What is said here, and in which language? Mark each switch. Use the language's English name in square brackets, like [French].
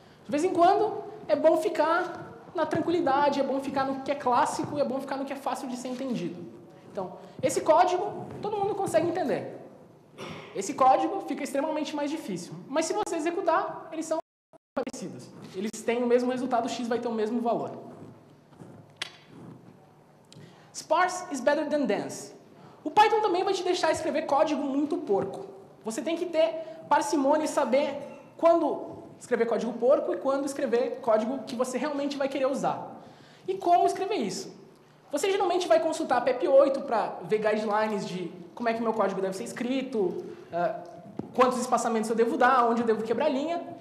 [Portuguese] De vez em quando, é bom ficar na tranquilidade, é bom ficar no que é clássico, é bom ficar no que é fácil de ser entendido. Então, esse código, todo mundo consegue entender. Esse código fica extremamente mais difícil. Mas se você executar, eles são parecidos. Eles têm o mesmo resultado, x vai ter o mesmo valor. [English] Sparse is better than dense. [Portuguese] O Python também vai te deixar escrever código muito porco. Você tem que ter parcimônia e saber quando escrever código porco e quando escrever código que você realmente vai querer usar. E como escrever isso? Você geralmente vai consultar a PEP8 para ver guidelines de como é que meu código deve ser escrito, quantos espaçamentos eu devo dar, onde eu devo quebrar a linha.